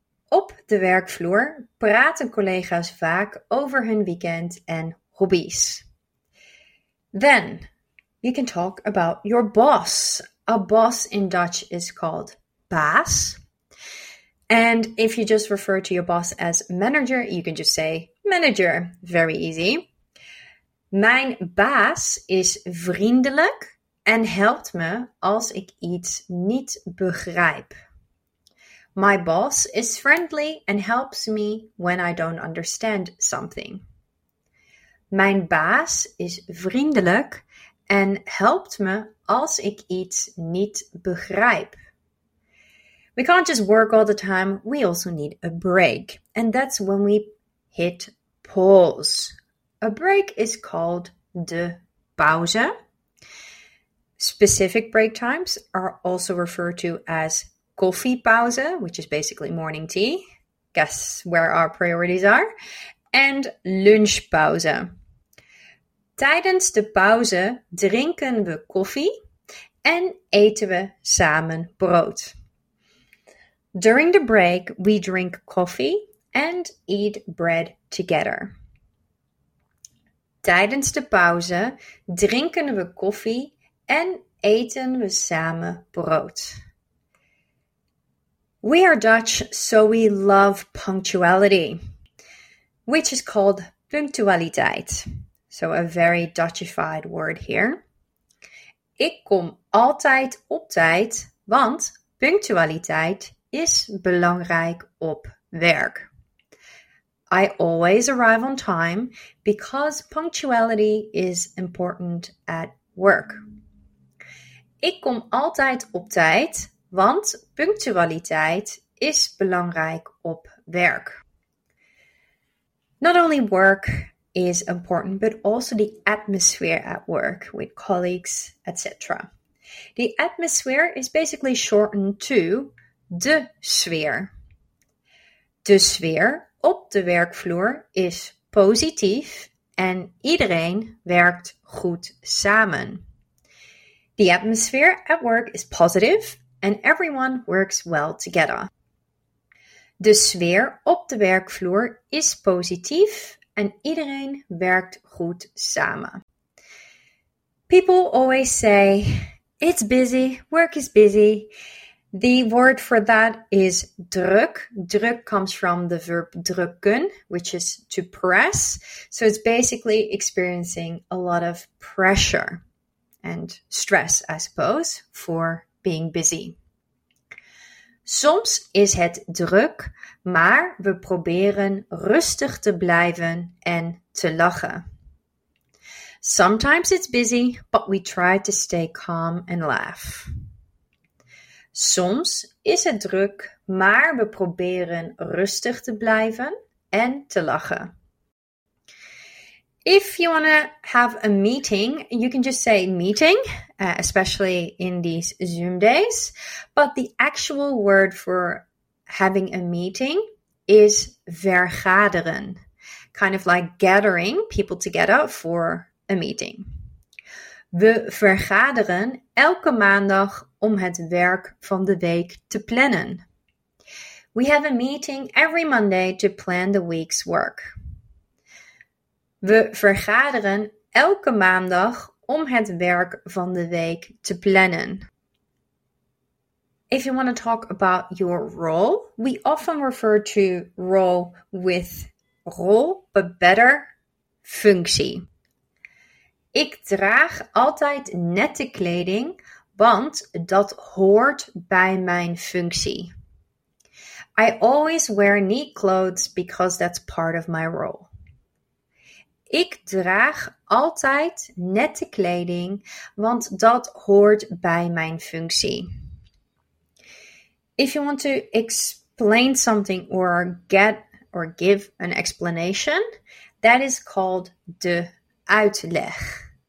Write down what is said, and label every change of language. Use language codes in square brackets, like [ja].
[nl] Op de werkvloer praten collega's vaak over hun weekend en hobby's. [en] Then, you can talk about your boss. A boss in Dutch is called baas. And if you just refer to your boss as manager, you can just say manager. Very easy. [nl] Mijn baas is vriendelijk en helpt me als ik iets niet begrijp. [en] My boss is friendly and helps me when I don't understand something. [nl] Mijn baas is vriendelijk en helpt me als ik iets niet begrijp. [en] We can't just work all the time, we also need a break. And that's when we hit pause. A break is called de pauze. Specific break times are also referred to as koffiepauze, which is basically morning tea. Guess where our priorities are. And lunchpauze. [nl] Tijdens de pauze drinken we koffie en eten we samen brood. [en] During the break, we drink coffee and eat bread together. [nl] Tijdens de pauze drinken we koffie en eten we samen brood. [en] We are Dutch, so we love punctuality, which is called punctualiteit. So a very Dutchified word here. [nl] Ik kom altijd op tijd, want punctualiteit is belangrijk op werk. [en] I always arrive on time because punctuality is important at work. [nl] Ik kom altijd op tijd, want punctualiteit is belangrijk op werk. [en] Not only work is important, but also the atmosphere at work with colleagues, etc. The atmosphere is basically shortened to de sfeer. [nl] De sfeer op de werkvloer is positief en iedereen werkt goed samen. [en] The atmosphere at work is positive and everyone works well together. [nl] De sfeer op de werkvloer is positief en iedereen werkt goed samen. [en] People always say, it's busy, work is busy. The word for that is druk. Druk comes from the verb drukken, which is to press. So it's basically experiencing a lot of pressure and stress, I suppose, for being busy. [nl] Soms is het druk, maar we proberen rustig te blijven en te lachen. [en] Sometimes it's busy, but we try to stay calm and laugh. [nl] Soms is het druk, maar we proberen rustig te blijven en te lachen. [en] If you want to have a meeting, you can just say meeting, especially in these Zoom days. But the actual word for having a meeting is vergaderen, kind of like gathering people together for a meeting. [nl] We vergaderen elke maandag om het werk van de week te plannen. [en] We have a meeting every Monday to plan the week's work. [nl] We vergaderen elke maandag om het werk van de week te plannen. [en] If you want to talk about your role, we often refer to role with role, but better [nl] functie. Ik draag altijd nette kleding, want dat hoort bij mijn functie. [en] I always wear neat clothes because that's part of my role. [nl] Ik draag altijd nette kleding, want dat hoort bij mijn functie. [en] If you want to explain something or get or give an explanation, that is called de uitleg.